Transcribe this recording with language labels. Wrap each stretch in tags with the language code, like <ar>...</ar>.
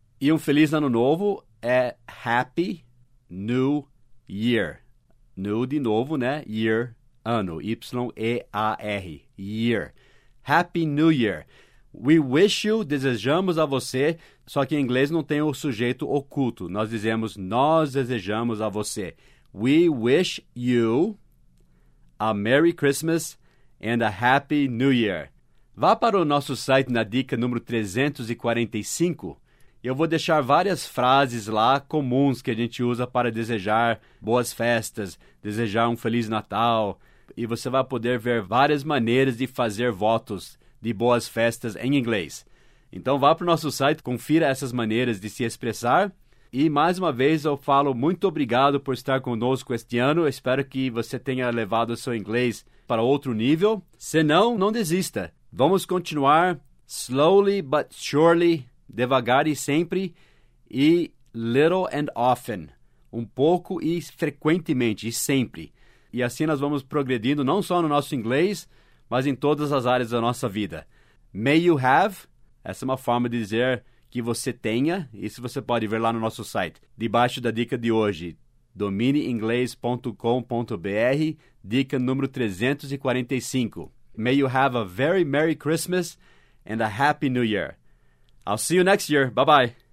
<pt>E um Feliz Ano Novo é</pt> <en>Happy New Year.</en> <pt>New de novo, né? Year, ano. Y-E-A-R. Year.</pt> <en>Happy New Year. We wish you,</en> <pt>desejamos a você, só que em inglês não tem o sujeito oculto. Nós dizemos, nós desejamos a você.</pt> <en>We wish you a Merry Christmas and a Happy New Year.</en> <pt>Vá para o nosso site na dica número 345. Eu vou deixar várias frases lá comuns que a gente usa para desejar boas festas, desejar um Feliz Natal. E você vai poder ver várias maneiras de fazer votos de boas festas em inglês. Então vá para o nosso site, confira essas maneiras de se expressar. E mais uma vez eu falo muito obrigado por estar conosco este ano. Espero que você tenha levado o seu inglês para outro nível. Se não, não desista. Vamos continuar</pt> <en>slowly but surely,</en> <pt>devagar e sempre, e</pt> <en>little and often,</en> <pt>um pouco e frequentemente, e sempre. E assim nós vamos progredindo não só no nosso inglês, mas em todas as áreas da nossa vida.</pt> <en>May you have,</en> <pt>essa é uma forma de dizer que você tenha, isso você pode ver lá no nosso site, debaixo da dica de hoje, domineinglês.com.br, dica número 345.</pt> <en>May you have a very Merry Christmas and a Happy New Year. I'll see you next year. Bye-bye.</en>